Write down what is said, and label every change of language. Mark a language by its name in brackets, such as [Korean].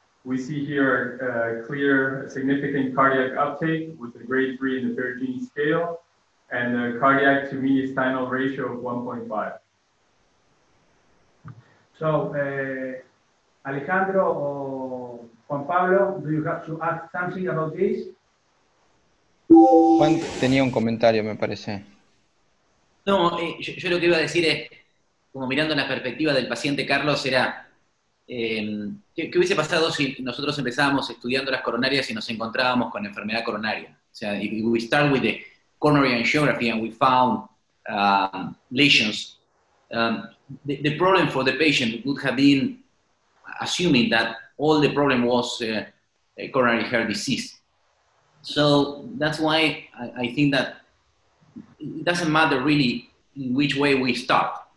[English] We see here a clear significant cardiac uptake with a grade 3 in the ferritin scale, and the cardiac to mediastinal ratio of 1.5. So, Alejandro or Juan Pablo, do you have to ask something about this? [Spanish] Juan tenía un comentario, me parece. No, yo lo que iba a decir es, como mirando la perspectiva del paciente Carlos, era ¿qué hubiese pasado si nosotros empezábamos estudiando las coronarias y nos encontrábamos con enfermedad coronaria? O sea, [English] if we start with the coronary angiography and we found lesions, the problem for the patient would have been assuming that all the problem was coronary heart disease. So that's why I think that it doesn't matter really in which way we start.